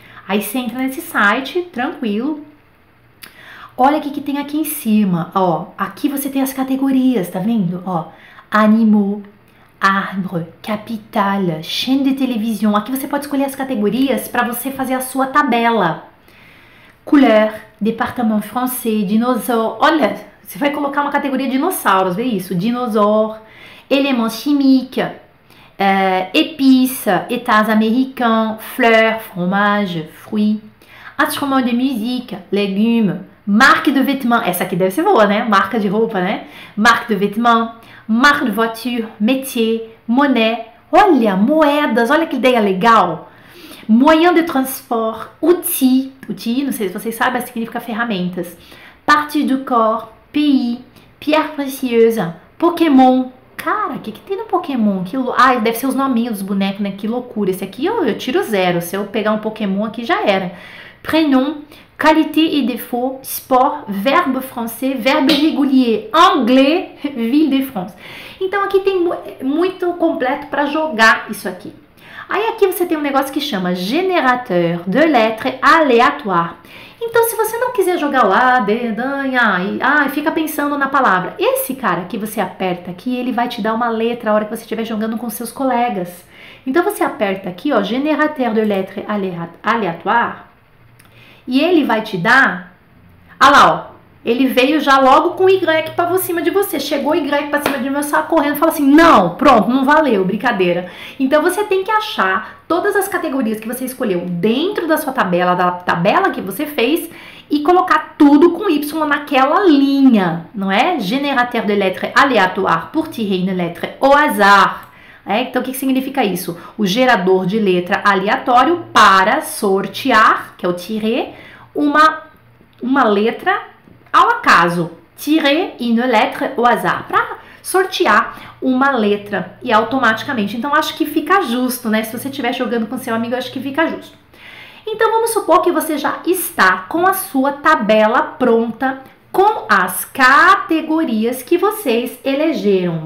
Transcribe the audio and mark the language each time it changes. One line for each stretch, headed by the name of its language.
Portuguese: Aí você entra nesse site, tranquilo. Olha o que tem aqui em cima. Ó, aqui você tem as categorias, tá vendo?
French: Ó, animaux. Arbre, capital, chaîne de télévision.
Portuguese: Aqui você pode escolher as categorias para você fazer a sua tabela.
French: Couleur, département français, dinosaure.
Portuguese: Olha, você vai colocar uma categoria de dinossauros, vê isso.
French: Dinosaure, éléments chimiques, épices, états américains, fleurs, fromage, fruits, instruments de musique, légumes, Marc de vêtements,
Portuguese: essa aqui deve ser boa, né? Marca de roupa, né?
French: Marc de vêtements, marque de voiture, métier, monnaie,
Portuguese: olha, moedas, olha que ideia legal.
French: Moyen de transport, outil, outil,
Portuguese: não sei se vocês sabem, mas significa ferramentas.
French: Partie du corps, pays, pierre précieuse, Pokémon.
Portuguese: Cara, o que, que tem no Pokémon? Que deve ser os nominhos dos bonecos, né? Que loucura. Esse aqui eu tiro zero. Se eu pegar um Pokémon aqui, já era.
French: Prénom, qualité et défaut, sport, verbe français, verbe régulier, anglais, ville de France.
Portuguese: Então, aqui tem muito completo para jogar isso aqui. Aí, aqui você tem um negócio que chama
French: générateur de lettres aléatoires.
Portuguese: Então, se você não quiser jogar o A, B, Dan, A, e fica pensando na palavra. Esse cara que você aperta aqui, ele vai te dar uma letra a hora que você estiver jogando com seus colegas. Então, você aperta aqui, ó,
French: générateur de lettres aléatoires.
Portuguese: E ele vai te dar... Ah lá, ó. Ele veio já logo com o Y para cima de você. Chegou o Y para cima de mim, eu saio correndo e falo assim, não, pronto, não valeu, brincadeira. Então, você tem que achar todas as categorias que você escolheu dentro da sua tabela, da tabela que você fez, e colocar tudo com Y naquela linha, não é?
French: Générateur de lettres aléatoire pour tirer une lettre au hasard.
Portuguese: É, então, o que significa isso? O gerador de letra aleatório para sortear, que é o tirer, uma letra ao acaso.
French: Tirer une lettre au hasard.
Portuguese: Para sortear uma letra e automaticamente. Então, acho que fica justo, né? Se você estiver jogando com seu amigo, acho que fica justo. Então, vamos supor que você já está com a sua tabela pronta com as categorias que vocês elegeram.